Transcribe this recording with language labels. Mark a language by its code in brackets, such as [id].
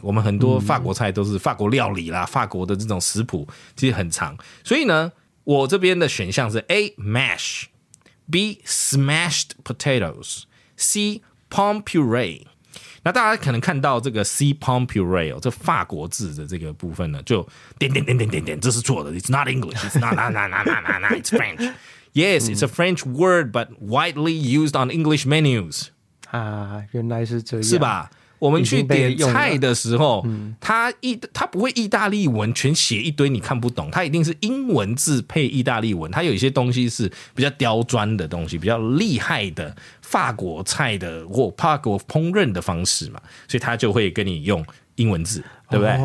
[zh] 我们很多法国菜都是法国料理啦，法国的这种食谱其实很长。所以呢，我这边的选项是 A. mash， B. [en] smashed potatoes， C. pomme puree。 [zh] 那大家可能看到这个 C. pomme puree、哦、这法国字的这个部分呢，就点点点点点点，这是错的。 [en] It's not English， It's not It's French。 Yes, it's a French word, but widely used on English menus. [zh] 啊，原来是这样。是吧？我们去点菜的时候，他不会意大利文全写一堆你看不懂，他一定是英文字配意大利文。他有一些东西是比较刁钻的东西，比较厉害的法国菜的或法国烹饪的方式嘛，所以他就会跟你用英文字，对不对？